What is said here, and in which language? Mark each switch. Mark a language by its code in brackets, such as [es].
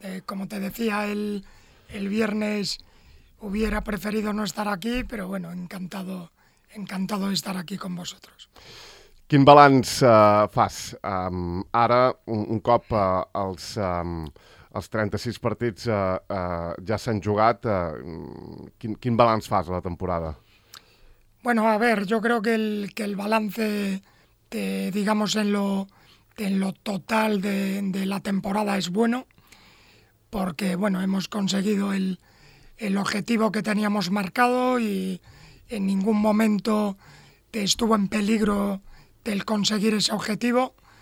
[es] Como te decía, el viernes hubiera preferido no estar aquí, pero bueno, encantado de estar aquí con vosotros. [ca] Quin balanç fas? Ara, un cop els 36 partits ja s'han jugat, quin balanç fas a la temporada? [es] Bueno, a ver, yo creo que el balance, digamos, en lo total de la temporada es bueno, porque, bueno, hemos conseguido el objetivo que teníamos marcado y en ningún momento estuvo en peligro del conseguir ese objetivo.